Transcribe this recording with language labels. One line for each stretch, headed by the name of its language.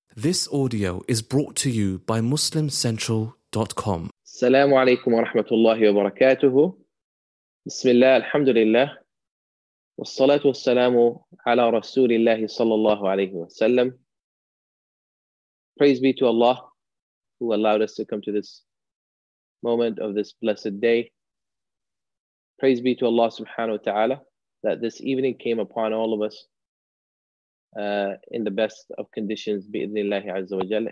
English: This audio is brought to you by MuslimCentral.com.
Arabic: السلام عليكم ورحمة الله وبركاته. بسم الله الحمد لله والصلاة والسلام على رسول الله صلى الله عليه وسلم.
English: Praise be to Allah who allowed us to come to this moment of this blessed day. Praise be to Allah subhanahu wa ta'ala that this evening came upon all of us in the best of conditions, bi-idhnillahi azza wa jalla.